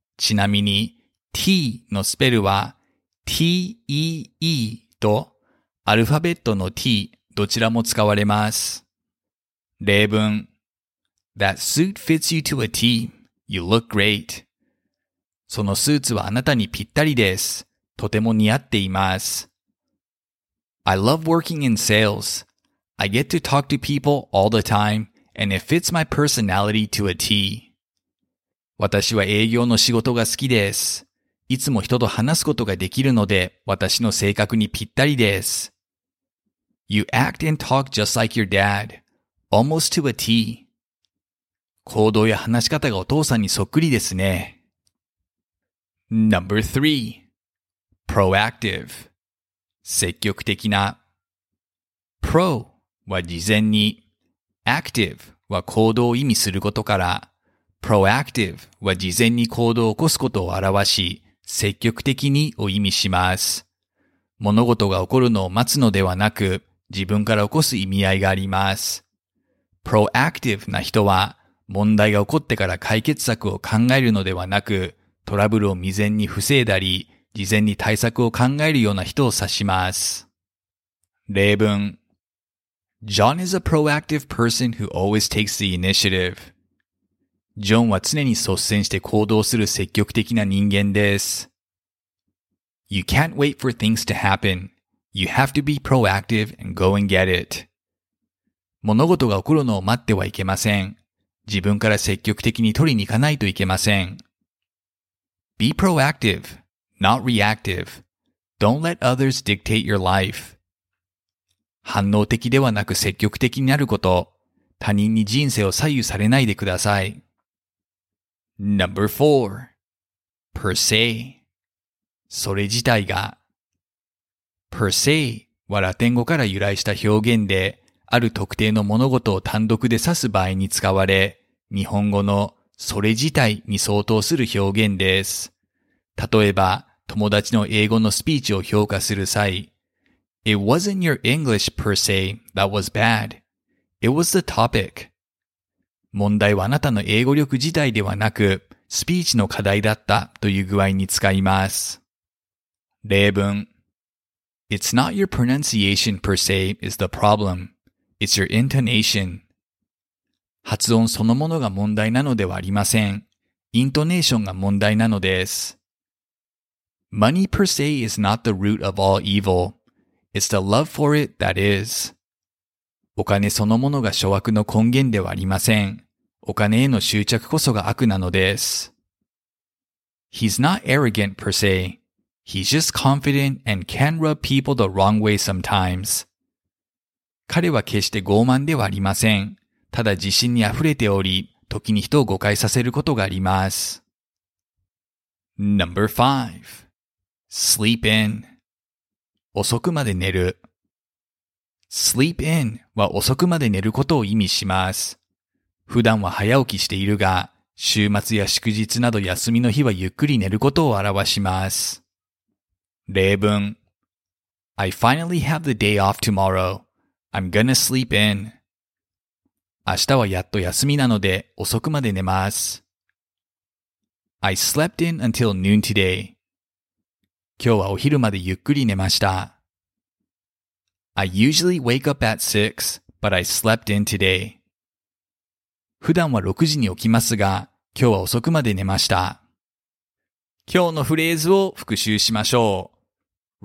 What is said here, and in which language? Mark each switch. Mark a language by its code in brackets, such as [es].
[ja] ちなみに T のスペルは TEE とアルファベットの T どちらも使われます。例文 [en] That suit fits you to a T. You look great. [ja] そのスーツはあなたにぴったりです。とても似合っています。 [en] I love working in sales. I get to talk to people all the time. And it fits my personality to a T. [ja] 私は営業の仕事が好きです。いつも人と話すことができるので、私の性格にぴったりです。 [en] You act and talk just like your dad, almost to a T. [ja] 行動や話し方がお父さんにそっくりですね。 [en] Number 3. Proactive. [ja] 積極的な。Pro は事前に。 Active は行動を意味することから、Proactive は事前に行動を起こすことを表し、積極的にを意味します。物事が起こるのを待つのではなく、自分から起こす意味合いがあります。 Proactive な人は、問題が起こってから解決策を考えるのではなく、トラブルを未然に防いだり、事前に対策を考えるような人を指します。例文 [en] John is a proactive person who always takes the initiative. [ja] ジョンは常に率先して行動する積極的な人間です。 [en] You can't wait for things to happen. You have to be proactive and go and get it. [ja] 物事が起こるのを待ってはいけません。自分から積極的に取りに行かないといけません。 [en] Be proactive, not reactive. Don't let others dictate your life. [ja] 反応的ではなく積極的になること。他人に人生を左右されないでください。 [en] Number 4. Per se. [ja] それ自体が。 Per se はラテン語から由来した表現で、ある特定の物事を単独で指す場合に使われ、日本語のそれ自体に相当する表現です。例えば、友達の英語のスピーチを評価する際、 [en] It wasn't your English per se that was bad. It was the topic. [ja] 問題はあなたの英語力自体ではなく、スピーチの課題だったという具合に使います。例文 [en] It's not your pronunciation per se is the problem. It's your intonation. [ja] 発音そのものが問題なのではありません。イントネーションが問題なのです。 [en] Money per se is not the root of all evil. It's the love for it that is. [ja] お金そのものが諸悪の根源ではありません。お金への執着こそが悪なのです。 [en] He's not arrogant per se. He's just confident and can rub people the wrong way sometimes. [ja] 彼は決して傲慢ではありません。ただ自信に溢れており、時に人を誤解させることがあります。 [en] Number 5. Sleep in. [ja] 遅くまで寝る。 Sleep in は遅くまで寝ることを意味します。普段は早起きしているが、週末や祝日など休みの日はゆっくり寝ることを表します。例文。 [en] I finally have the day off tomorrow. I'm gonna sleep in. [ja] 明日はやっと休みなので、遅くまで寝ます。 [en] I slept in until noon today. [ja] 今日はお昼までゆっくり寝ました。 [en] I usually wake up at 6, but I slept in today. [ja] 普段は6時に起きますが、今日は遅くまで寝ました。今日のフレーズを復習しましょう。